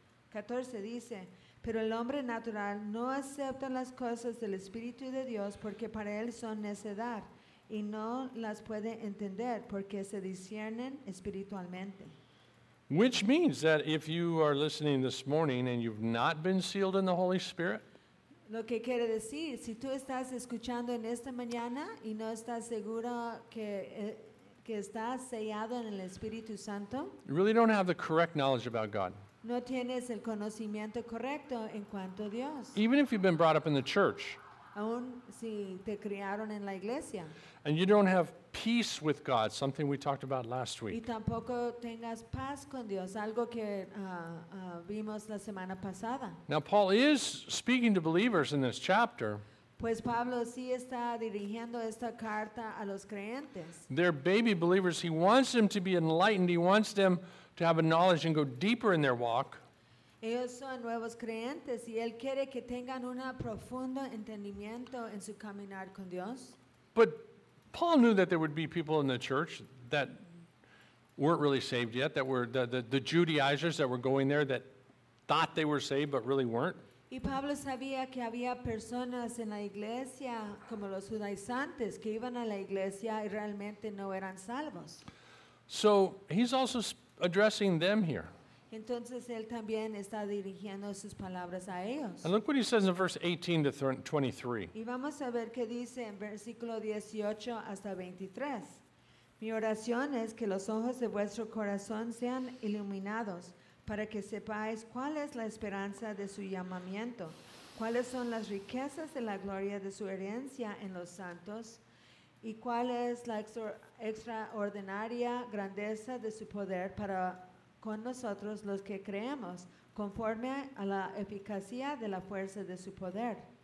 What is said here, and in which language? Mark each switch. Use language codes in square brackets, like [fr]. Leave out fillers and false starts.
[es] 14 dice, pero el hombre natural no acepta las cosas del Espíritu de Dios porque para él son necedad, y no las puede entender porque se disciernen espiritualmente. [en] Which means that if you are listening this morning and you've not been sealed in the Holy Spirit, [es] lo que quiere decir, si tú estás escuchando en esta mañana y no estás seguro que estás sellado en el Espíritu Santo, [en] you really don't have the correct knowledge about God. [es] No tienes el conocimiento correcto en cuanto a Dios. [en] Even if you've been brought up in the church, [es] aún si te criaron en la iglesia, [en] and you don't have peace with God, something we talked about last week, [es] y tampoco tengas paz con Dios, algo que vimos la semana pasada. [en] Now Paul is speaking to believers in this chapter. [es] Pues Pablo sí está dirigiendo esta carta a los creyentes. [en] They're baby believers. He wants them to be enlightened. He wants them to have a knowledge and go deeper in their walk. [es] Ellos son nuevos creyentes y él quiere que tengan un profundo entendimiento en su caminar con Dios. [en] But Paul knew that there would be people in the church that weren't really saved yet, that were the Judaizers that were going there that thought they were saved but really weren't. [es] Y Pablo sabía que había personas en la iglesia como los judaizantes que iban a la iglesia y realmente no eran salvos. [en] So he's also addressing them here. [es] Entonces él también está dirigiendo sus palabras a ellos. [en] And look what he says in verse 18 to 23. [es] Y vamos a ver qué dice en versículo 18 hasta 23. Mi oración es que los ojos de vuestro corazón sean iluminados para que sepáis cuál es la esperanza de su llamamiento, cuáles son las riquezas de la gloria de su herencia en los santos y cuál es la extraordinaria grandeza de su poder para con nosotros los que creemos, conforme a la eficacia de la fuerza de su poder.